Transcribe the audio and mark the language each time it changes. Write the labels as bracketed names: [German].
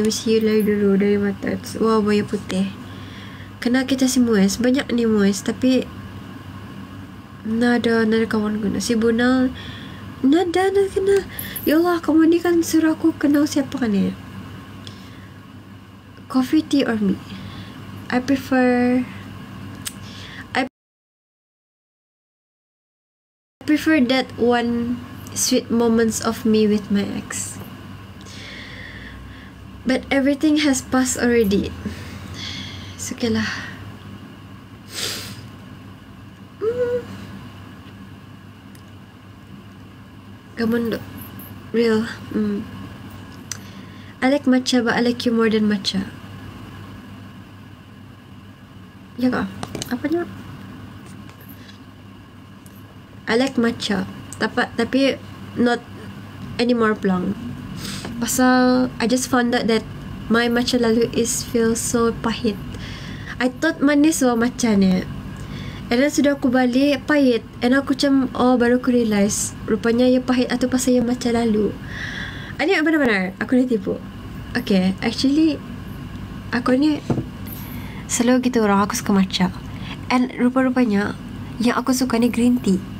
[Malay] Miss you lagi dulu dari mata. Wow, buaya putih. Kenal kita si Muiz. Banyak ni Muiz. Tapi nada kawan guna. Si Bunal. Nada kenal. Yalah, kamu ni kan suruh aku kenal siapa kan ni. [English] Coffee tea or me? I prefer that one sweet moments of me with my ex. But everything has passed already. So, okay lah. [Malay] Kamu real. [English] I like matcha, but I like you more than matcha. [Malay] Ya kak, apanya? [English] I like matcha, [Malay] tapi [English] not anymore plang. [Malay] Pasal [English] I just found out that my matcha lalu is feel so pahit. I thought [Malay] manis wah matcha ni. [English] And then [Malay] sudah aku balik pahit. And aku macam oh baru aku realise rupanya ia pahit atau pasal ia matcha lalu. Ini benar-benar aku ni tipu. Okay, actually aku ni selalu gitu orang aku suka matcha. And rupa-rupanya yang aku suka ni green tea.